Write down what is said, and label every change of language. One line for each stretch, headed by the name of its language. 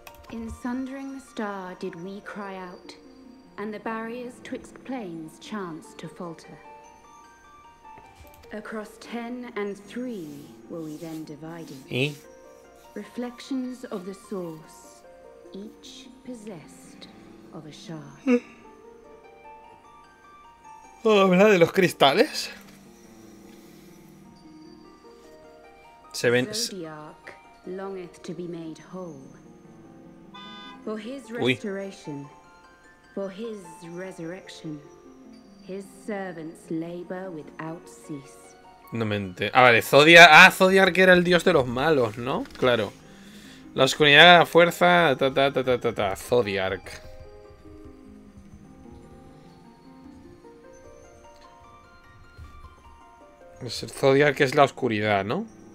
English: In sundering the star did we cry out, and the barriers twixt planes chanced to falter. Across 10 and 3 were we then divided.
Spanish: ¿Y?
English: Reflections of the source, each possessed of a shard.
Spanish: ¿Puedo hablar de los cristales? Se ven...
English: Zodiac longeth to be made whole. For his restoration, for his resurrection, his servants labor without cease.
Spanish: No me entiendo. Ah, vale, Zodiac. Ah, Zodiac era el dios de los malos, ¿no? Claro. La oscuridad de la fuerza. Zodiac. Es el Zodiac que es la oscuridad, ¿no?